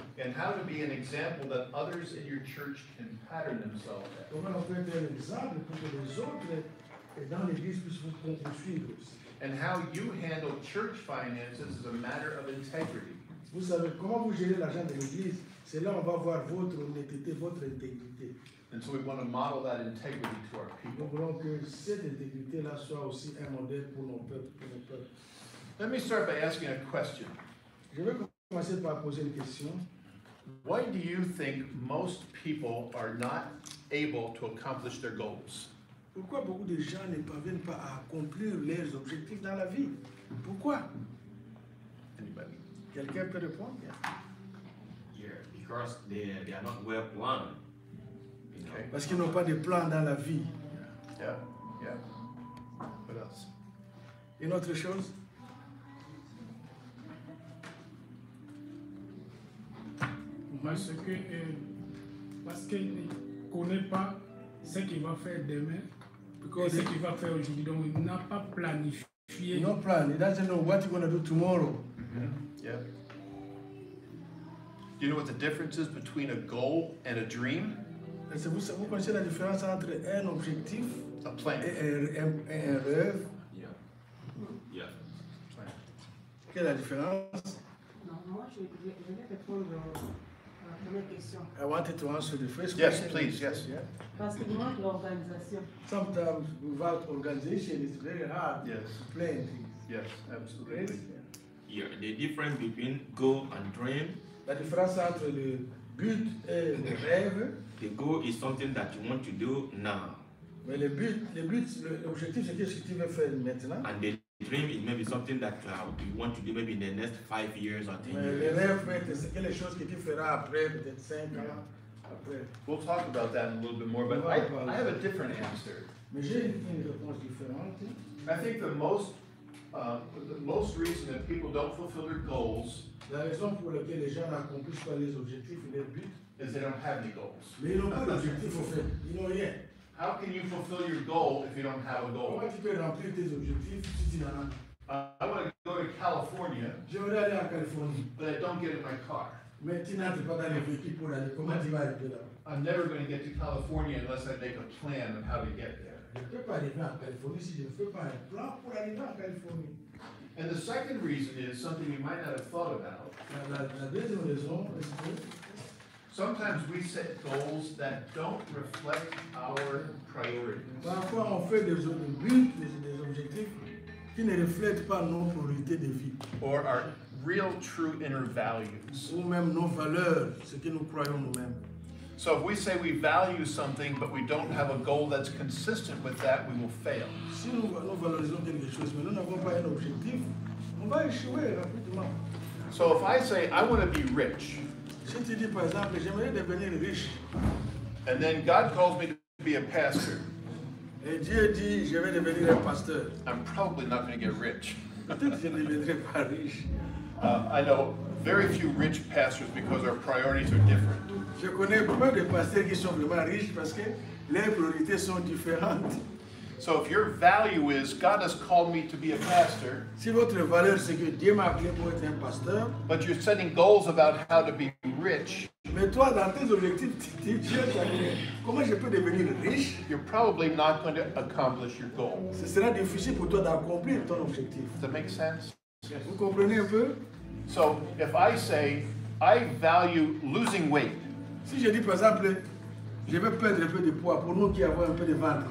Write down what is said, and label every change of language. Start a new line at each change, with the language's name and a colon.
English: And how to be an example that others in your church can pattern themselves after. And how you handle church finances is a matter of integrity.
French: Vous savez comment vous gérez l'argent de l'église, c'est là on va voir votre honnêteté, votre intégrité.
English: And so we want to model that integrity to our people.
French: Nous voulons que cette intégrité-là soit aussi un modèle pour nos peuples, pour nos peuples.
English: Let me start by asking a question.
French: Je vais commencer par poser une question.
English: Why do you think most people are not able to accomplish their goals?
French: Pourquoi beaucoup de gens ne parviennent pas à accomplir leurs objectifs dans la vie? Pourquoi?
English: Anybody?
French: Quelqu'un peut répondre?
English: Yeah, because they are not well planned. Okay.
French: Parce qu'ils n'ont pas de plan dans la vie.
English: Yeah. What else?
French: Une autre chose? Parce qu'il ne connaît pas ce qu'il va faire demain, et ce qu'il va faire aujourd'hui, donc il n'a pas planifié.
English: No plan. He doesn't know what he's going to do tomorrow. Mm-hmm. Yeah. Do you know what the difference is between a goal and a dream?
French: Vous connaissez la différence entre un objectif et un rêve?
English: Yeah. Yeah.
French: Plan. Quelle est la différence? Non, moi, je vais répondre à la première question.
English: I wanted to answer the first question. Yes, please, yes. Yeah.
French: Parce que manque l'organisation.
English: Sometimes without organization, it's very hard to plan things. Yes, absolutely. Yes. Yeah. The difference between goal and dream.
French: La différence entre le but et le rêve.
English: The goal is something that you want to do now.
French: Mais le but, l'objectif, c'est qu'est-ce que tu veux faire maintenant.
English: And the dream is maybe something that you want to do maybe in the next 5 years or 10 years.
French: Le rêve, c'est quelque chose que tu feras après, peut-être 5 ans après.
English: We'll talk about that a little bit more, but I have a different answer.
French: Mais j'ai une réponse différente.
English: I think the most reason that people don't fulfill their goals.
French: La raison pour laquelle les gens n'accomplissent pas les objectifs et les buts.
English: Is they don't have any goals.
French: Mais ils n'ont pas d'objectif au fait. Ils n'ont rien.
English: How can you fulfill your goal if you don't have a goal?
French: Comment tu peux remplir tes objectifs si tu n'en as pas?
English: I want to go to California.
French: J'aimerais aller en Californie.
English: But I don't get in my car.
French: Mais tu n'entres pas dans les véhicules pour aller. Comment tu vas arriver là?
English: I'm never going to get to California unless I make a plan of how to get there.
French: Je ne peux pas arriver en Californie si je ne fais pas un plan pour arriver en Californie.
English: And the second reason is something you might not have thought about.
French: La deuxième raison, est-ce que...
English: Sometimes we set goals that don't reflect our priorities.
French: Parfois on fait des buts, des objectifs qui ne reflètent pas nos priorités de vie.
English: Or our real, true inner values.
French: Ou même nos valeurs, ce que nous croyons nous-mêmes.
English: So if we say we value something but we don't have a goal that's consistent with that, we will fail.
French: Si nous valorisons quelque chose mais nous n'avons pas un objectif, on va échouer rapidement.
English: So if I say I want to be rich.
French: Si tu dis, par exemple, j'aimerais devenir riche.
English: And then God calls me to be a pastor.
French: Et Dieu dit, je vais devenir un pasteur.
English: I'm probably not going to get rich.
French: Peut-être que je ne deviendrai pas riche.
English: I know very few rich pastors because our priorities are different.
French: Je connais peu de pasteurs qui sont vraiment riches parce que leurs priorités sont différentes.
English: So if your value is God has called me to be a pastor,
French: si votre valeur c'est que Dieu m'a appelé pour être un pasteur,
English: but you're setting goals about how to be rich,
French: mais toi dans tes objectifs, comment je peux devenir riche?
English: You're probably not going to accomplish your goal.
French: Ce sera difficile pour toi d'accomplir ton objectif.
English: Does that make sense?
French: Yes. Vous comprenez un peu?
English: So if I say I value losing weight,
French: si je dis par exemple je vais perdre un peu de poids pour nous qui avons un peu de ventre.